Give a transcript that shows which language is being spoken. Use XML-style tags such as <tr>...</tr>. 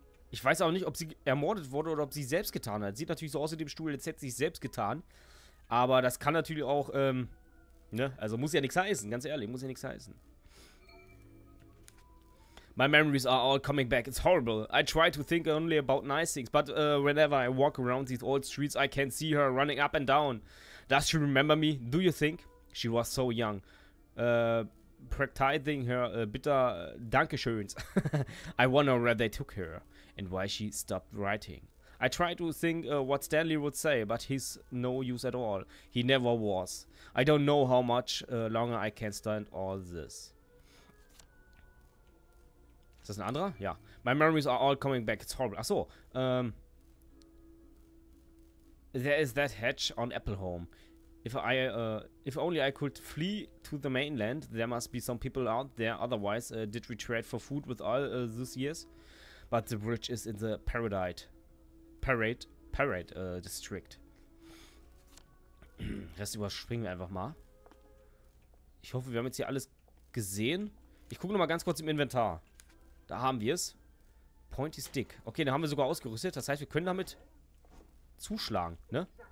<de>Ich weiß auch nicht, ob sie ermordet wurde oder ob sie selbst getan hat. Sieht natürlich so aus in dem Stuhl, als hätte sie sich selbst getan. Aber das kann natürlich auch, ne? Also muss ja nichts heißen. Ganz ehrlich, muss ja nichts heißen.</de> <en>My memories are all coming back. It's horrible. I try to think only about nice things, but whenever I walk around these old streets, I can see her running up and down. Does she remember me? Do you think? She was so young. Practicing her bitter Dankeschöns. I wonder where they took her and why she stopped writing. I try to think what Stanley would say, but he's no use at all. He never was. I don't know how much longer I can stand all this.</en> <de>Ist das ein anderer? Ja.</de> <en>My memories are all coming back. It's horrible. Achso. There is that hatch on Apple Home. If only I could flee to the mainland, there must be some people out there. Otherwise, did we trade for food with all those years? But the bridge is in the Parade District.</en> <de>Rest überspringen wir einfach mal. Ich hoffe, wir haben jetzt hier alles gesehen. Ich gucke nochmal ganz kurz im Inventar. Da haben wir es. Pointy Stick. Okay, da haben wir sogar ausgerüstet. Das heißt, wir können damit zuschlagen, ne?</de>